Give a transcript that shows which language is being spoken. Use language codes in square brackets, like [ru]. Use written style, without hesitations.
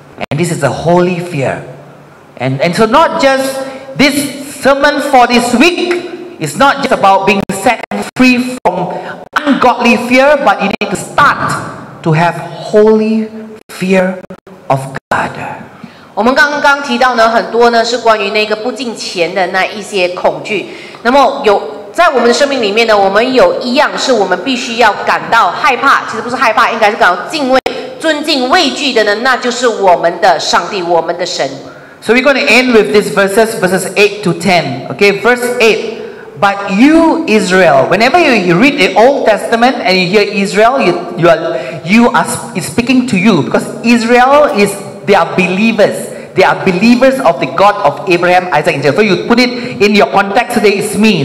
[en] And this is a holy fear. And so not just this sermon for this week It's not just about being set free from ungodly fear, but you need to start to have holy fear of God. [zh] 我们刚刚提到呢，很多呢是关于那个不敬虔的那一些恐惧。那么有在我们的生命里面呢，我们有一样是我们必须要感到害怕，其实不是害怕，应该是感到敬畏、尊敬、畏惧的呢，那就是我们的上帝，我们的神。 [en] So we're going to end with this verses 8 to 10. Okay, verse 8. But you, Israel, whenever you read the Old Testament and you hear Israel, you are speaking to you. Because Israel is, they are believers. They are believers of the God of Abraham, Isaac, and Jacob. So you put it in your context today, it's me.